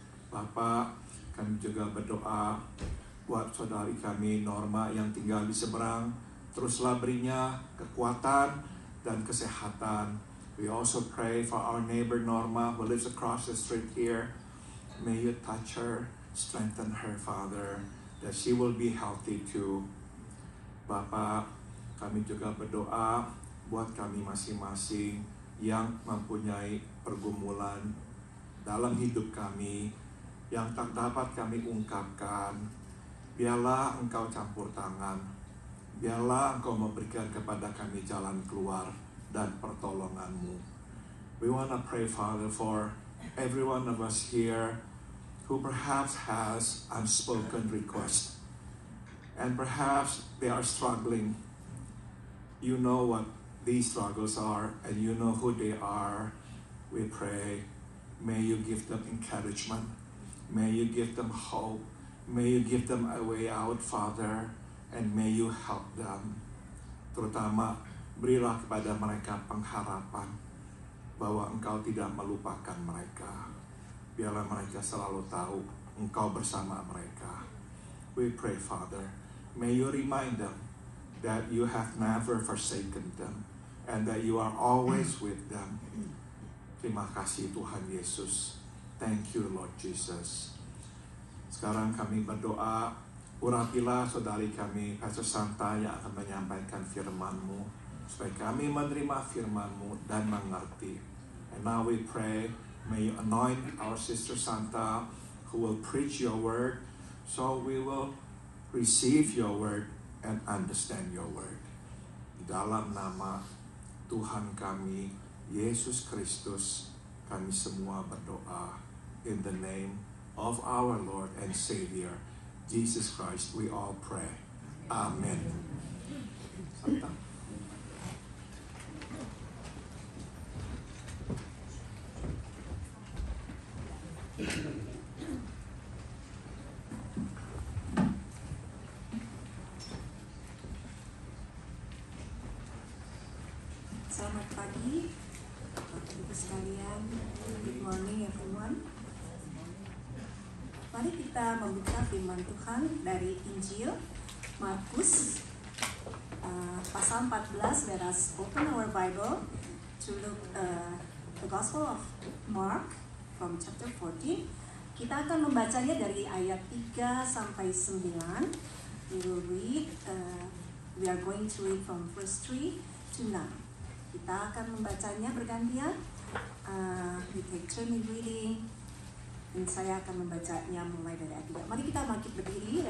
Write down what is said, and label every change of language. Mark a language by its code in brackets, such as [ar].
[id] Bapak, kami juga berdoa buat saudari kami Norma yang tinggal di seberang. Teruslah berinya kekuatan dan kesehatan. [en] We also pray for our neighbor Norma who lives across the street here. May you touch her, strengthen her, Father, that she will be healthy too. [id] Bapak, kami juga berdoa buat kami masing-masing yang mempunyai pergumulan dalam hidup kami yang tak dapat kami ungkapkan. Biarlah Engkau campur tangan. Biarlah Engkau memberikan kepada kami jalan keluar dan pertolongan-Mu. [en] We want to pray, Father, for every one of us here who perhaps has unspoken requests. And perhaps they are struggling. You know what these struggles are, and you know who they are. We pray, may you give them encouragement. May you give them hope. May you give them a way out, Father, and may you help them. [id] Terutama, berilah kepada mereka pengharapan bahwa Engkau tidak melupakan mereka. Biarlah mereka selalu tahu Engkau bersama mereka. [en] We pray, Father, may you remind them that you have never forsaken them and that you are always with them. [id] Terima kasih Tuhan Yesus. [en] Thank you, Lord Jesus. [id] Sekarang kami berdoa, urapilah saudari kami, Pastor Santa, yang akan menyampaikan firman-Mu, supaya kami menerima firman-Mu dan mengerti. [en] And now we pray, may you anoint our sister Santa, who will preach your word, so we will receive your word and understand your word. [id] Dalam nama Tuhan kami, Yesus Kristus, kami semua berdoa. [en] In the name of our Lord and Savior, Jesus Christ, we all pray. Amen. Santa. [id] Selamat pagi, Bapak-Ibu sekalian. [en] Good morning, everyone. [id] Mari kita membuka firman Tuhan dari Injil Markus pasal 14. [en] Let us open our Bible to look the Gospel of Mark from chapter 14. [id] Kita akan membacanya dari ayat 3 sampai 9. [en] We will read. We are going to read from verse 3 to 9. [id] Kita akan membacanya bergantian. [en] We take turn in reading. [id] Dan saya akan membacanya mulai dari ayat 3. Mari kita bangkit berdiri.